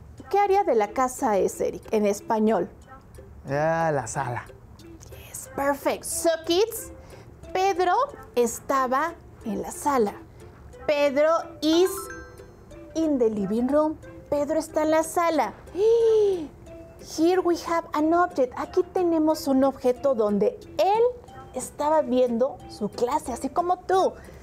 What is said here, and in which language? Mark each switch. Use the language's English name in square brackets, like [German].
[Spanish] ¿Qué área de la casa es, Eric, en español? La sala. [English] Yes, perfect. So, kids, [Spanish] Pedro estaba en la sala. [English] Pedro is in the living room. [Spanish] Pedro está en la sala. [English] Here we have an object. [Spanish] Aquí tenemos un objeto donde él estaba viendo su clase, así como tú.